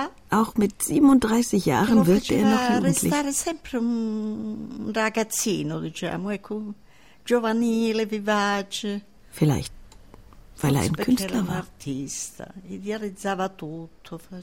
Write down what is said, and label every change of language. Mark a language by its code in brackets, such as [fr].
[de] Auch mit 37 Jahren wirkte er noch jugendlich. [it] Restare sempre un ragazzino, diciamo, ecco, giovanile, vivace. [de] Vielleicht, weil er ein Künstler war. [it] Artista, idealizzava tutto.